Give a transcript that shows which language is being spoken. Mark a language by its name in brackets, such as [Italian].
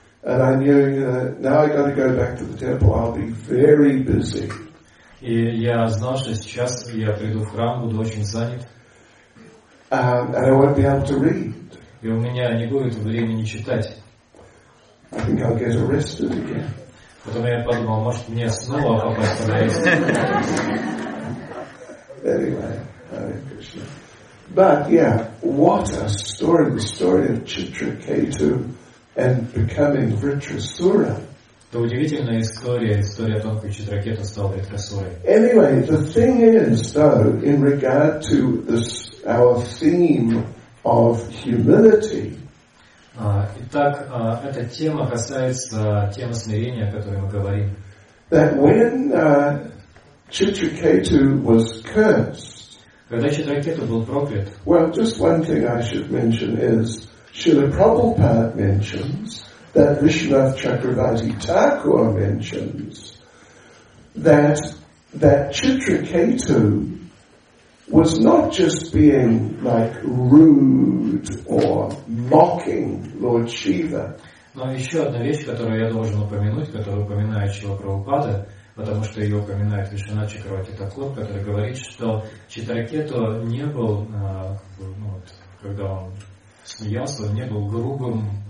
[English] And I knew now I got to go back to the temple. I'll be very busy. [Russian] И я знал, что сейчас я приду в храм, буду очень занят. [English] And I won't be able to read. [Russian] И у меня не будет времени читать. [English] I think I'll get arrested again. [Russian] Потом я подумал, может мне снова попасть на арест. [English] Anyway. But yeah, what a story, the story of Chitraketu and becoming Vritrasura. [Russian] Это удивительная история о том, как Читракету стал Вритрасурой. [English] Anyway, the thing is, though, in regard to this, our theme of humility. [Russian] Итак, эта тема касается темы смирения, о которой мы говорим. [English] That when Chitraketu was cursed, [Russian] когда Читракету был проклят. [English] Well, just one thing I should mention is Srila Prabhupada mentions that Vishwanath Chakravarti Thakur mentions that Chitraketu was not just being like rude or mocking Lord Shiva. [Russian] Но еще одна вещь, которую я должен упомянуть, которую упоминает Шрила Прабхупада, потому что ее упоминает Вишвана Чакравати Такур, который говорит, что Читракету не был, ну, вот, когда он смеялся, он не был грубым.